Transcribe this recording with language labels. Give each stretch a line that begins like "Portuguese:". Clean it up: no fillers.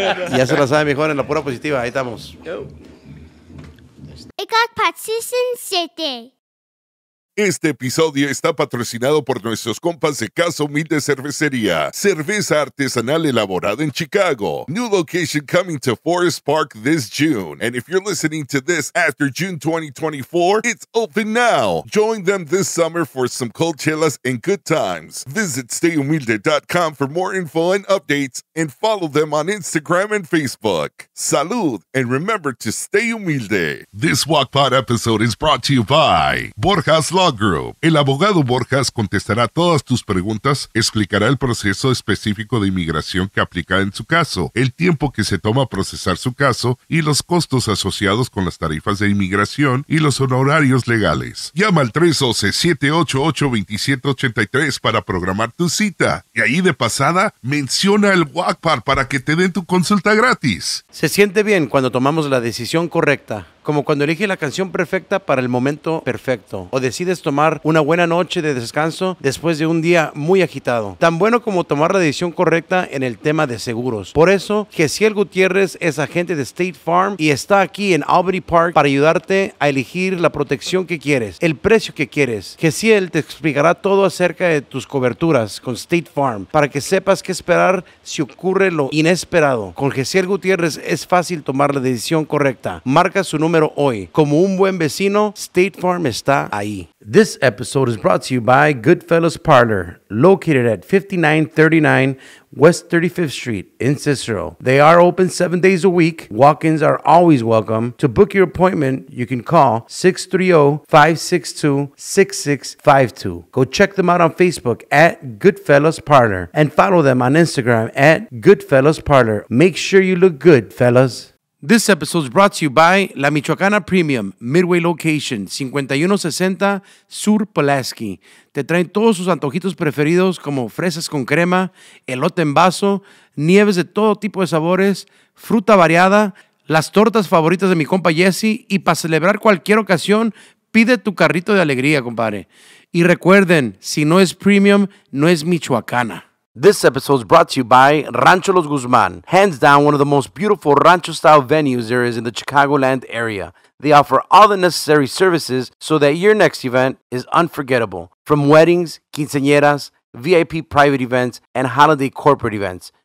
Spanish: Ya se la sabe mejor en la pura positiva. Ahí estamos.
English: Yo. It got partition city.
Spanish: Este episodio está patrocinado por nuestros compas de Casa Humilde Cervecería, cerveza artesanal elaborada en Chicago.
English: New location coming to Forest Park this June. And if you're listening to this after June 2024, it's open now. Join them this summer for some cold chelas and good times. Visit stayhumilde.com for more info and updates and follow them on Instagram and Facebook. Salud, and remember to stay humilde. This Walk Pod episode is brought to you by Borjas Law Group.
Spanish: El abogado Borjas contestará todas tus preguntas, explicará el proceso específico de inmigración que aplica en su caso, el tiempo que se toma procesar su caso y los costos asociados con las tarifas de inmigración y los honorarios legales. Llama al 312-788-2783 para programar tu cita. Y ahí de pasada, menciona el Walk Pod para que te den tu consulta gratis. Se siente bien cuando tomamos la decisión correcta. Como cuando eliges la canción perfecta para el momento perfecto. O decides tomar una buena noche de descanso después de un día muy agitado. Tan bueno como tomar la decisión correcta en el tema de seguros. Por eso, Gesiel Gutiérrez es agente de State Farm y está aquí en Albany Park para ayudarte a elegir la protección que quieres, el precio que quieres. Gesiel te explicará todo acerca de tus coberturas con State Farm para que sepas qué esperar si ocurre lo inesperado. Con Gesiel Gutiérrez es fácil tomar la decisión correcta. Marca su número hoy. Como un buen vecino, State Farm está ahí.
English: This episode is brought to you by Goodfellas Parlor, located at 5939 West 35th Street in Cicero. They are open 7 days a week. Walk-ins are always welcome. To book your appointment, you can call 630-562-6652. Go check them out on Facebook at Goodfellas Parlor and follow them on Instagram at Goodfellas Parlor. Make sure you look good, fellas. This episode is brought to you by La Michoacana Premium, Midway Location, 5160 Sur Pulaski.
Spanish: Te traen todos sus antojitos preferidos como fresas con crema, elote en vaso, nieves de todo tipo de sabores, fruta variada, las tortas favoritas de mi compa Jesse, y para celebrar cualquier ocasión, pide tu carrito de alegría, compadre. Y recuerden, si no es premium, no es Michoacana.
English: This episode is brought to you by Rancho Los Guzmán. Hands down, one of the most beautiful rancho-style venues there is in the Chicagoland area. They offer all the necessary services so that your next event is unforgettable. From weddings, quinceañeras, VIP private events, and holiday corporate events.